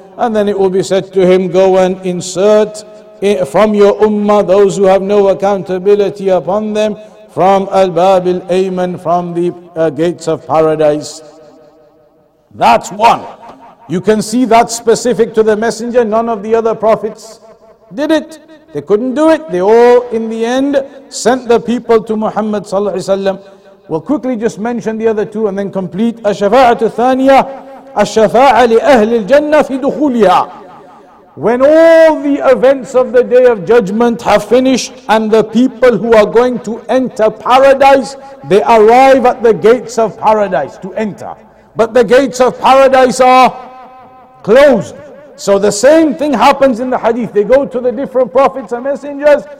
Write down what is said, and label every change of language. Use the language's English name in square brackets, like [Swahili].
[English] And then it will be said to him, go and insert from your ummah those who have no accountability upon them from al-bab al-ayman, from the gates of paradise. That's one. You can see that's specific to the messenger. None of the other prophets did it. They couldn't do it. They all, in the end, sent the people to Muhammad sallallahu alaihi wasallam. We'll quickly just mention the other two and then complete. [Arabic] الشفاعة الثانية الشفاعة لأهل الجنة في دخولها. [English] When all the events of the Day of Judgment have finished and the people who are going to enter paradise, they arrive at the gates of paradise to enter. But the gates of paradise are closed. So the same thing happens in the hadith. They go to the different prophets and messengers.